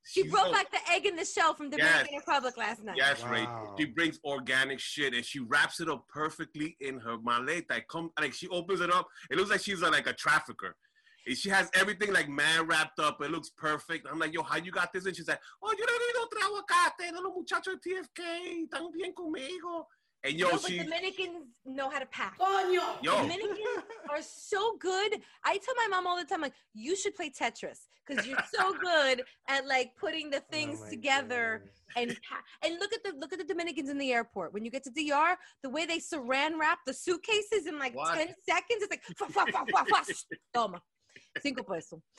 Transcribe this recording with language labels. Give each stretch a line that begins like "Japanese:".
English: She brought back the egg in the shell from the Dominican Republic last night. Yes, wow. Right. She brings organic shit and she wraps it up perfectly in her maleta. She opens it up. It looks like she's like a trafficker. She has everything like man wrapped up. It looks perfect. I'm like, yo, how you got this? And she's like, oh,
Spanish: yo le doy otro aguacate, los muchachos de TFK, están bien conmigo.
English: And yo, Dominicans know how to pack.
Spanish: Coño.
English: Yo. Dominicans are so good. I tell my mom all the time, like, you should play Tetris because you're so good at like putting the things together. And look at the Dominicans in the airport. When you get to DR, the way they saran wrap the suitcases in like 10 seconds, it's like, fa-fa-fa-fa-fa-fa-stoma. Single peso.